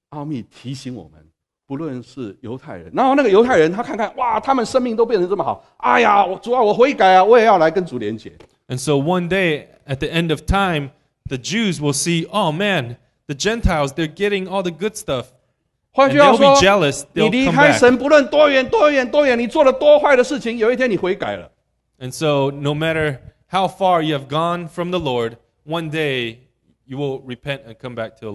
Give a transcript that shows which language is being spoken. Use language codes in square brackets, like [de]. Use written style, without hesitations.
[zh] 奥秘提醒我们, 不论是犹太人，然后那个犹太人，他看看，哇，他们生命都变成这么好，哎呀，主啊，我悔改啊，我也要来跟主连结。 [en] And so one day at the end of time, the Jews will see, oh man, the Gentiles, they're getting all the good stuff. [zh] 换句话说, [en] and they'll be jealous. They'll come back. [zh] 你离开神，不论多远多远多远，你做了多坏的事情，有一天你悔改了。 [en] And so no matter how far you have gone from the Lord, one day you will repent and come back to the Lord.